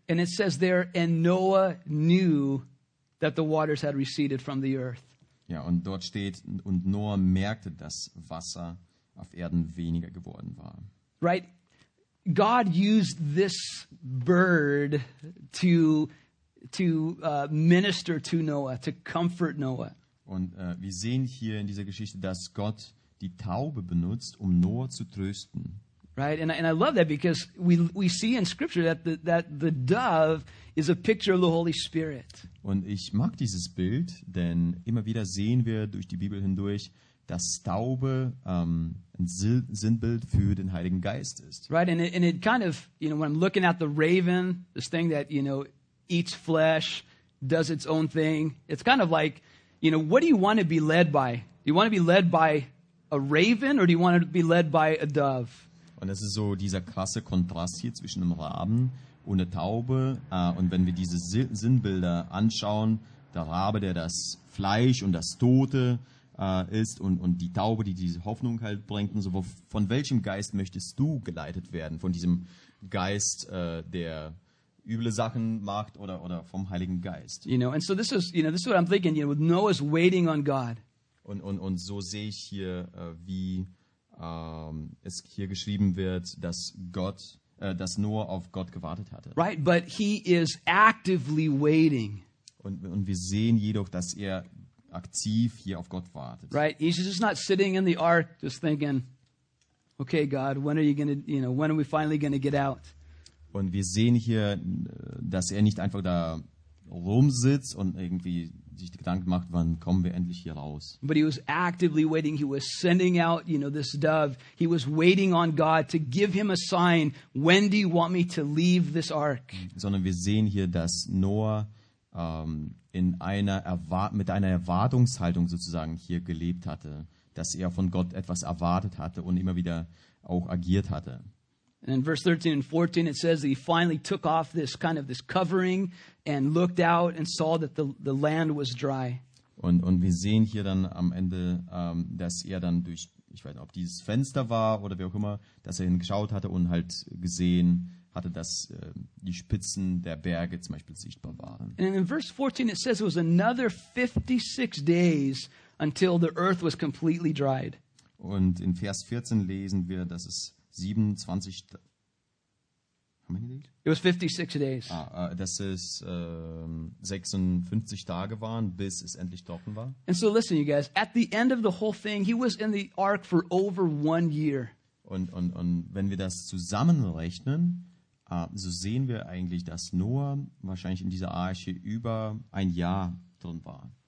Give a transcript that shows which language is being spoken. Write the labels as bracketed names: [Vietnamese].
[English] And it says there, and Noah knew that the waters had receded from the earth. [German] Ja, und dort steht, und Noah merkte, dass Wasser auf Erden weniger geworden war. [English] Right? God used this bird to minister to Noah, to comfort Noah. [German] Und wir sehen hier in dieser Geschichte, dass Gott die Taube benutzt, um Noah zu trösten. [English] Right? And I love that because we see in scripture that the dove is a picture of the Holy Spirit. [German] Und ich mag dieses Bild, denn immer wieder sehen wir durch die Bibel hindurch, dass Taube ein Sinnbild für den Heiligen Geist ist. [English] Right, and it kind of, you know, when I'm looking at the raven, this thing that, you know, eats flesh, does its own thing, it's kind of like, you know, what do you want to be led by? Do you want to be led by a raven or do you want to be led by a dove? [German] Und das ist so dieser krasse Kontrast hier zwischen einem Raben und einer Taube. Und wenn wir diese Sinnbilder anschauen, der Rabe, der das Fleisch und das Tote ist und die Taube, die diese Hoffnung halt bringt, und so, von welchem Geist möchtest du geleitet werden? Von diesem Geist, der üble Sachen macht oder vom Heiligen Geist? [English] You know, and so this is what I'm thinking, you know, with Noah's waiting on God. [German] Und so sehe ich hier, wie es hier geschrieben wird, dass Noah auf Gott gewartet hatte. [English] Right, but he is actively waiting. [German] Und wir sehen jedoch, dass er aktiv hier auf Gott wartet. [English] Right, he's just not sitting in the ark just thinking, okay, God, when are we finally gonna get out? [German] Und wir sehen hier, dass er nicht einfach da rumsitzt und irgendwie sich Gedanken macht, wann kommen wir endlich hier raus. [English] But he was actively waiting. He was sending out, you know, this dove. He was waiting on God to give him a sign. When do you want me to leave this ark? [German] Sondern wir sehen hier, dass Noah mit einer Erwartungshaltung sozusagen hier gelebt hatte, dass er von Gott etwas erwartet hatte und immer wieder auch agiert hatte. [English] And in verse 13 and 14 it says that he finally took off this kind of this covering and looked out and saw that the land was dry. [German] Und wir sehen hier dann am Ende, dass er dann durch, ich weiß nicht, ob dieses Fenster war oder wie auch immer, dass er hingeschaut hatte und halt gesehen hatte, dass die Spitzen der Berge zum Beispiel sichtbar waren. [English] And in verse 14 it says it was another 56 days until the earth was completely dried. [German] Und in Vers 14 lesen wir, dass es 27. [English] How many days? It was 56 days. [German] Dass es 56 Tage waren, bis es endlich trocken war. [English] And so listen, you guys, at the end of the whole thing, he was in the ark for over 1 year. [German] Und wenn wir das zusammenrechnen, so sehen wir eigentlich, dass Noah wahrscheinlich in dieser Arche über ein Jahr drin war.